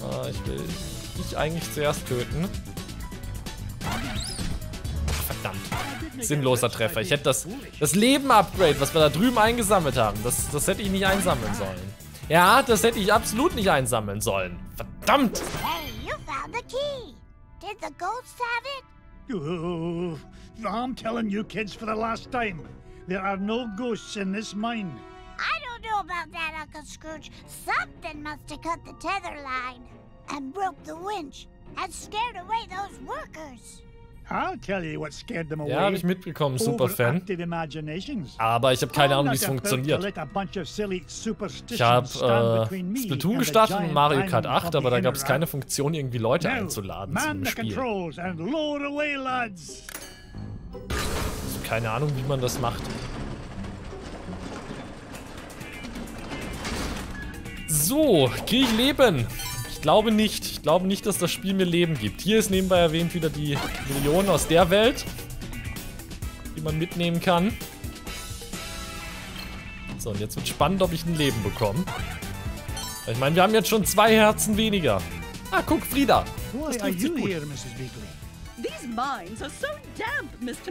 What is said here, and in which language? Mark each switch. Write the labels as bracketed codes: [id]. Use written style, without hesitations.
[de] Ich will dich eigentlich zuerst töten. Verdammt. Sinnloser Treffer. Ich hätte das Leben-Upgrade, was wir da drüben eingesammelt haben, das hätte ich nicht einsammeln sollen. Ja, das hätte ich absolut nicht einsammeln sollen. Verdammt! [en] Hey, you found the key. Did the ghosts have it? Oh, I'm telling you kids for the last time. There are no ghosts in this mine. I don't know about that, Uncle Scrooge. Something must have cut the tether line. And broke the winch and scared away those workers. I'll tell you what scared them away. [de] Ja, habe ich mitbekommen, Superfan. Aber ich habe keine Ahnung, wie es funktioniert. Ich habe Splatoon gestartet und Mario Kart 8, aber da gab es keine Funktion, irgendwie Leute einzuladen zum Spiel. Also keine Ahnung, wie man das macht. So, krieg ich Leben. Ich glaube nicht, dass das Spiel mir Leben gibt. Hier ist nebenbei erwähnt wieder die Million aus der Welt, die man mitnehmen kann. So, und jetzt wird spannend, ob ich ein Leben bekomme. Ich meine, wir haben jetzt schon 2 Herzen weniger. Ah, guck, Frieda. Das trifft sich gut. Mrs. Beagle? [en] These mines are so damp, Mr.